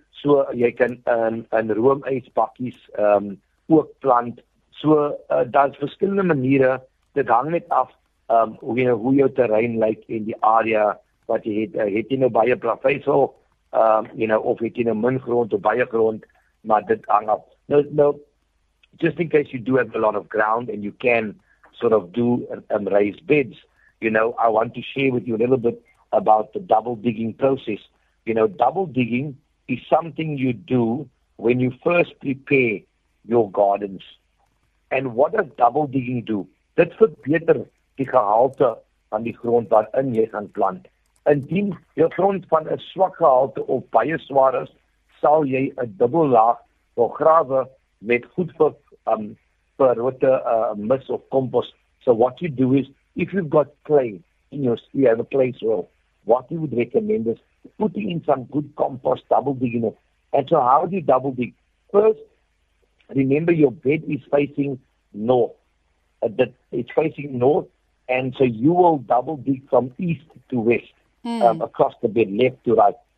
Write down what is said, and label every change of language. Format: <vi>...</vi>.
<af>So jy kan in roomijsbakkies ook plant. So daar's verskillende maniere. Dit hang net af hoe jou terrein lyk en die area wat jy het. Het jy nou baie plaveisel, you know, of het jy nou min grond of baie grond, maar dit hang af.</af> <en>Nou, just in case you do have a lot of ground and you can sort of do raised beds, you know, I want to share with you a little bit about the double digging process. You know, double digging is something you do when you first prepare your gardens. And what does double digging do?</en> <af>Dit verbeter die gehalte van die grond waarin jy gaan plant. Indien jou grond van 'n swak gehalte of baie swaar is, sal jy 'n dubbel laag wil grawe met goed verrotte mis of kompos.</af> <en>So what you do is, if you've got clay in your the clay soil, what you would recommend is putting in some good compost, double digging it. And so how do you double dig? First, remember your bed is facing north. It's facing north, and so you will double dig from east to west, across the bed, left to right.</en>